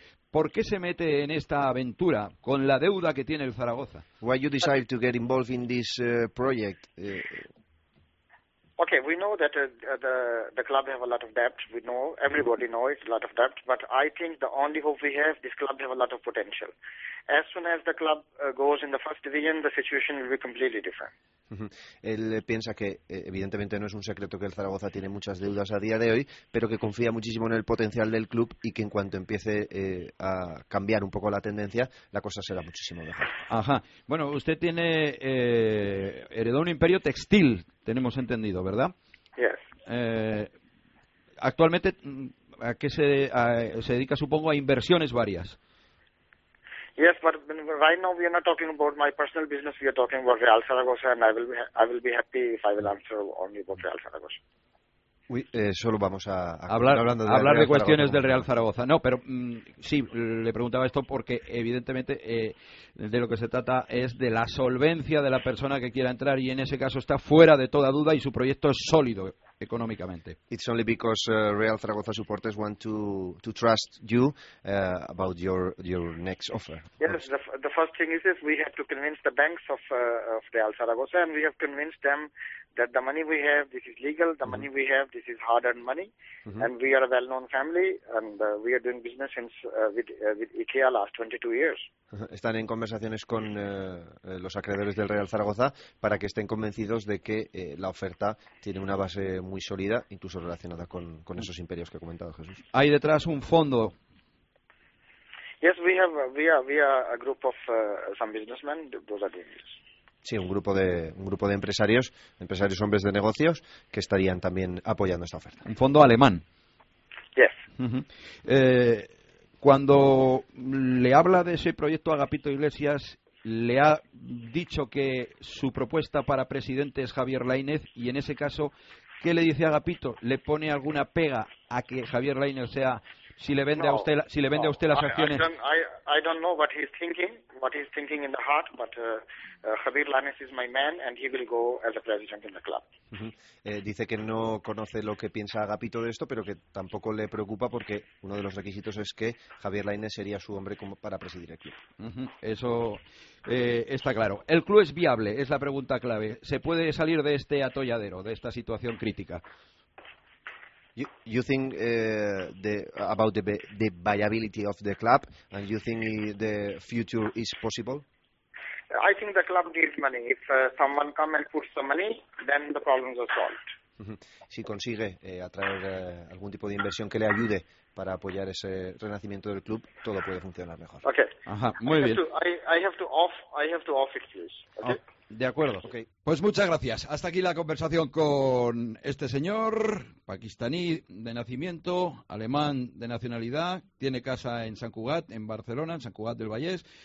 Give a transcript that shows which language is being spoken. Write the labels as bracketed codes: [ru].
[es] ¿Por qué se mete en esta aventura con la deuda que tiene el Zaragoza? [en] Why you decide to get involved in this project? Okay, we know that the club have a lot of debt. We know, everybody knows it's a lot of debt. But I think the only hope we have, this club have a lot of potential. As soon as the club goes in the first division, the situation will be completely different. [es] Él piensa que, evidentemente, no es un secreto que el Zaragoza tiene muchas deudas a día de hoy, pero que confía muchísimo en el potencial del club y que en cuanto empiece a cambiar un poco la tendencia, la cosa será muchísimo mejor. Ajá. Bueno, usted tiene heredó un imperio textil, tenemos entendido, ¿verdad? [en] Yes. [es] Actualmente, ¿a qué se dedica, supongo, a inversiones varias? [en] Yes, but right now we are not talking about my personal business. We are talking about Real Zaragoza, and I will be happy if I will answer only about Real Zaragoza. [es] Solo vamos a hablar de cuestiones del Real Zaragoza. No, pero sí, le preguntaba esto porque evidentemente de lo que se trata es de la solvencia de la persona que quiera entrar, y en ese caso está fuera de toda duda y su proyecto es sólido económicamente. [en] It's only because Real Zaragoza supporters want to trust you about your next offer. Yes, the first thing is we have to convince the banks of Real Zaragoza, and we have convinced them that the money we have, this is legal, the money we have, this is hard-earned money, and we are a well-known family, and we are doing business with IKEA last 22 years. [es] Están en conversaciones con los acreedores del Real Zaragoza para que estén convencidos de que la oferta tiene una base muy sólida, incluso relacionada con esos imperios que ha comentado Jesús. Hay detrás un fondo. [en] Yes, we are a group of some businessmen, those are the English. [es] Sí, un grupo de empresarios hombres de negocios que estarían también apoyando esta oferta. Un fondo alemán. [en] Yes. [es] Cuando le habla de ese proyecto a Agapito Iglesias, le ha dicho que su propuesta para presidente es Javier Lainez, y en ese caso, ¿qué le dice a Agapito? ¿Le pone alguna pega a que Javier Lainez sea, si le vende a usted las acciones? [en] I don't know what he's thinking in the heart, but Javier Lainez is my man and he will go as a president in the club. [es] Dice que no conoce lo que piensa Agapito de esto, pero que tampoco le preocupa porque uno de los requisitos es que Javier Lainez sería su hombre como para presidir el club. Eso está claro. ¿El club es viable? Es la pregunta clave. ¿Se puede salir de este atolladero, de esta situación crítica? [en] You think about the viability of the club, and you think the future is possible? I think the club needs money. If someone comes and puts some money, then the problems are solved. [es] Si consigue atraer algún tipo de inversión que le ayude para apoyar ese renacimiento del club, todo puede funcionar mejor. [en] Okay. [es] Ajá, muy bien. [en] I have to off it, please. Okay. Oh. [es] De acuerdo. Okay. Pues muchas gracias. Hasta aquí la conversación con este señor, pakistaní de nacimiento, alemán de nacionalidad, tiene casa en San Cugat, en Barcelona, en San Cugat del Vallés.